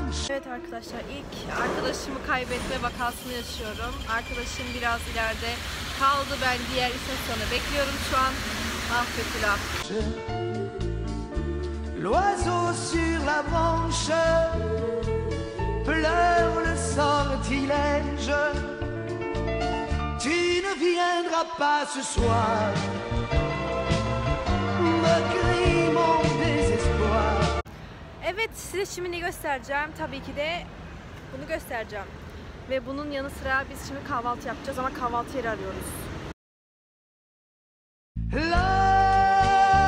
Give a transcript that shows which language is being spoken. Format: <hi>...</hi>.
<tr>Evet arkadaşlar, ilk arkadaşımı kaybetme vakasını yaşıyorum. Arkadaşım biraz ileride kaldı. Ben diğer istasyonu bekliyorum şu an. Ah Betül, ah.</tr> <fr>L'oiseau sur la branche pleure le sortilège. Tu ne viendras pas ce soir. Me crie mon désespoir.</fr> <tr>Evet, size şimdi ne göstereceğim? Tabii ki de bunu göstereceğim. Ve bunun yanı sıra biz şimdi kahvaltı yapacağız ama kahvaltı yeri arıyoruz. La.</tr>